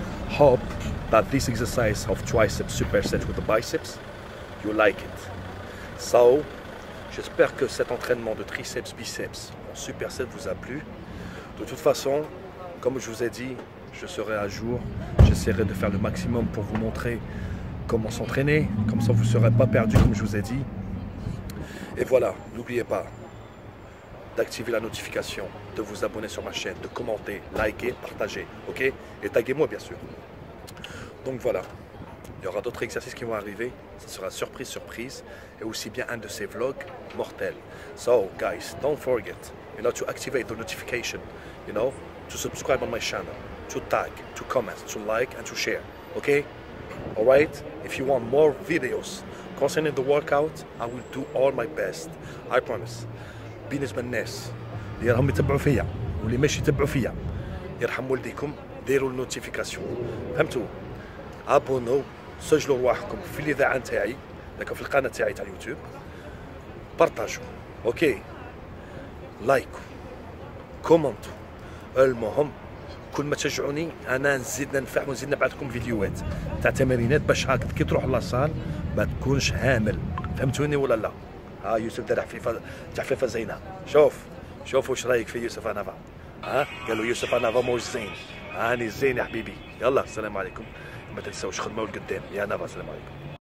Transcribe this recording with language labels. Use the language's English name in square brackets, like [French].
[English] Hope that this exercise of triceps superset with the biceps, you like it. [French] So, j'espère que cet entraînement de triceps biceps en superset vous a plu. De toute façon, comme je vous ai dit, je serai à jour. J'essaierai de faire le maximum pour vous montrer comment s'entraîner. Comme ça, vous ne serez pas perdu, comme je vous ai dit. Et voilà, n'oubliez pas d'activer la notification, de vous abonner sur ma chaîne, de commenter, liker, partager, ok? Et taguer moi bien sûr. Donc voilà, il y aura d'autres exercices qui vont arriver, ça sera surprise, surprise, et aussi bien un de ces vlogs mortels. [English] So guys, don't forget, you know, to activate the notification, you know, to subscribe on my channel, to tag, to comment, to like and to share, ok? Alright, if you want more videos concerning the workout, I will do all my best, I promise. [Arabic] بالنسبة للناس اللي راهم يتبعوا فيا واللي مش يتبعوا فيا يرحم والديكم ديروا النوتيفيكاسيون فهمتوا ابونوا سجلوا رواحكم في الإذاعة تاعي داك في القناة تاعي تاع اليوتيوب بارطاجوا اوكي لايكوا كومنتوا المهم كل ما تشجعوني انا نزيد ننفع ونزيد نبعث لكم فيديوهات تاع تمارينات باش هكذا كي تروح لاصال ما تكونش هامل فهمتوني ولا لا ها يوسف درع في تحفيفه زينه شوف شوف واش رايك في يوسف انافا ها قالوا يوسف انافا موش زين هاني زين يا حبيبي يلا السلام عليكم ما تنساوش خدمه والقدام يا انافا السلام عليكم